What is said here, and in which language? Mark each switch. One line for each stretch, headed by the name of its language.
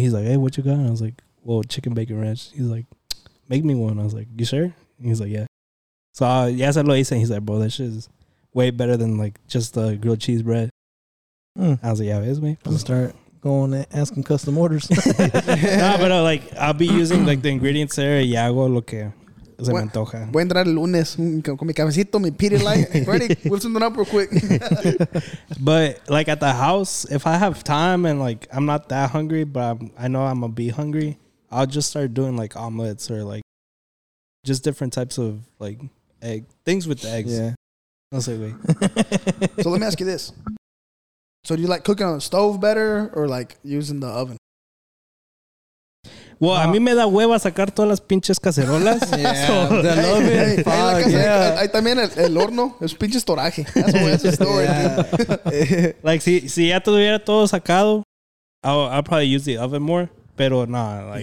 English: He's like, hey, what you got? And I was like, well, chicken bacon ranch. He's like, make me one. I was like, you sure? And he's like, yeah. So, yes, I
Spanish: lo hice.
English: And he's like, bro, that shit is way better than, like, just the grilled cheese bread. Mm. I was like, yeah, it is, man. I'm going to start going and asking custom orders. Nah, but, like, I'll be using, like, the ingredients there.
Spanish: Y hago lo que... Se me antoja. Voy a entrar el lunes con mi cabecito, mi pity light.
English: Ready? We'll send it up real quick. But like at the house, if I have time and like I'm not that hungry, but I know I'm gonna be hungry, I'll just start doing like omelets or like just different types of like egg things with the eggs. Yeah.
Spanish: No sé, güey.
English: So let me ask you this. So do you like cooking on the stove better or like using the oven?
Spanish: Well, a mí me da hueva sacar todas las pinches cacerolas.
English: Yeah, so, hey, fuck, hey, yeah.
Spanish: Hay también el horno, es pinches toraje.
English: That's what Like,
Spanish: si ya tuviera todo sacado,
English: I'll probably use the oven more.
Spanish: Pero nada, no,
English: like,